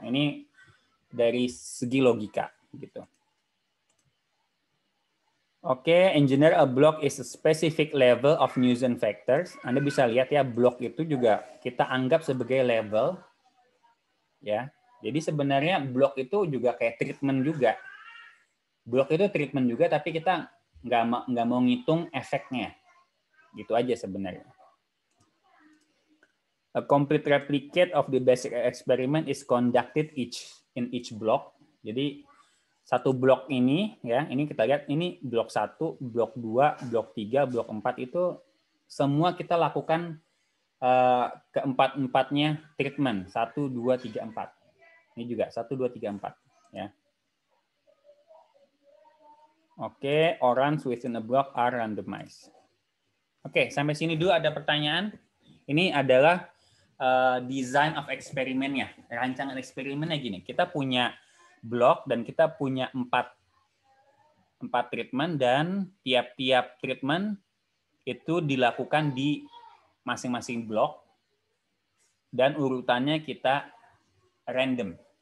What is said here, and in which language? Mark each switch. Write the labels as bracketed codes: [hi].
[id] Ini dari segi logika gitu. [en] Oke, okay, engineer, a block is a specific level of Nuisance factors. [id] Anda bisa lihat ya, block itu juga kita anggap sebagai level. Ya. Jadi sebenarnya block itu juga kayak treatment juga. Block itu treatment juga, tapi kita nggak mau ngitung efeknya. Gitu aja sebenarnya. [en] A complete replicate of the basic experiment is conducted in each block. [id] Jadi satu blok ini ya, ini kita lihat ini blok 1, blok 2, blok 3, blok 4 itu semua kita lakukan keempat-empatnya treatment 1 2 3 4. Ini juga 1 2 3 4 ya. [en] Oke, orange within a block are randomized. [id] Oke, sampai sini dulu ada pertanyaan. Ini adalah design of experiment-nya. Rancangan eksperimennya gini, kita punya block dan kita punya empat treatment dan tiap-tiap treatment itu dilakukan di masing-masing block dan urutannya kita random.